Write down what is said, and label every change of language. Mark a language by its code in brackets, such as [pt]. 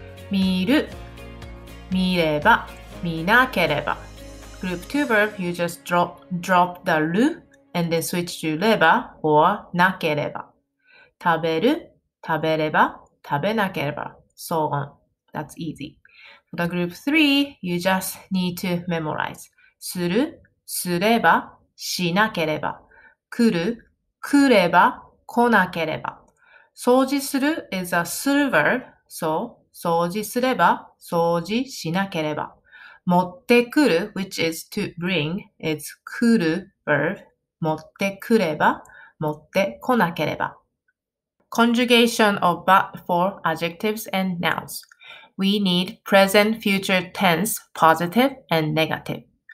[ja] 見る、見れば、見なければ。 [en] Group 2 verb, you just drop the る and then switch to れば or なければ。 [ja] 食べる、食べれば、食べなければ。 [en] So on. That's easy. For the group 3, you just need to memorize. [ja] する、すれば、しなければ。来る、来れば、来なければ。 [en] 掃除する is a する verb. [ja] So, 掃除すれば、掃除しなければ。 [en] 持ってくる which is to bring, is 来る verb. [ja] 持ってくれば、持ってこなければ。 [en] Conjugation of but for adjectives and nouns. We need present future tense, positive and negative.